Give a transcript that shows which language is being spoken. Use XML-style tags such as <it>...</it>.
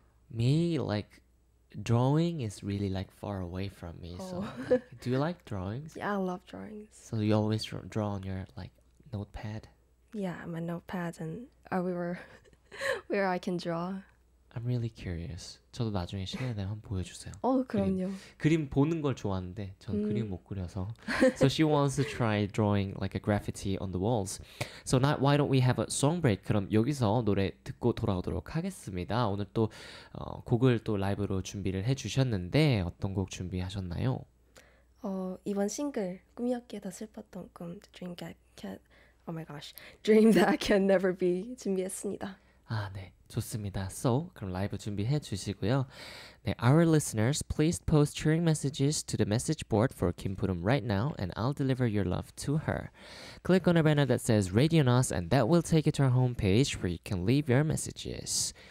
<en>Me, like, drawing is really, like, far away from me. Oh. So, like, do you like drawings? Yeah, I love drawings. So you always draw on your, like, notepad? Yeah, my notepad and where I can draw. I'm really curious.</en> <ko>저도 나중에 시간 되면 한번 보여주세요. 어, 그럼요. 그림 보는 걸 좋아하는데 저는 그림 못 그려서.</ko> <en>So she wants to try drawing like a graffiti on the walls. So now why don't we have a song break?</en> <ko>그럼 여기서 노래 듣고 돌아오도록 하겠습니다. 오늘 또 곡을 또 라이브로 준비를 해주셨는데 어떤 곡 준비하셨나요? 이번 싱글 꿈이었기에 더 슬펐던 꿈 Dream That Can</ko> <en>Oh my gosh</en> <ko>Dream That Can Never Be 준비했습니다. 아, 네. 좋습니다. So, 그럼 라이브 준비해 주시고요.</ko> <en>네, our listeners, please post cheering messages to the message board for KimPuReum right now and I'll deliver your love to her. Click on a banner that says Radio Nos and that will take you to our homepage where you can leave your messages.</en>